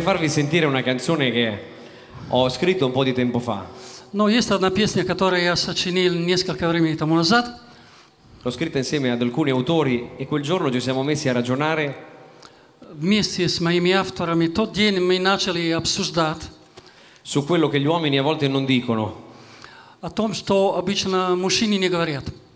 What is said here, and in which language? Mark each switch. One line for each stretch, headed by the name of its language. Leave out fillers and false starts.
Italian: farvi sentire una canzone che ho scritto un po' di tempo fa.
Russian: No, есть одна песня, которую я сочинил несколько времени тому назад.
Italian: L'ho scritta insieme ad alcuni autori e quel giorno ci siamo messi a ragionare.
Russian: Вместе с моими авторами тот день мы начали обсуждать.
Italian: Su quello che gli uomini a volte non dicono.
Russian: О том, что обычно мужчины не говорят.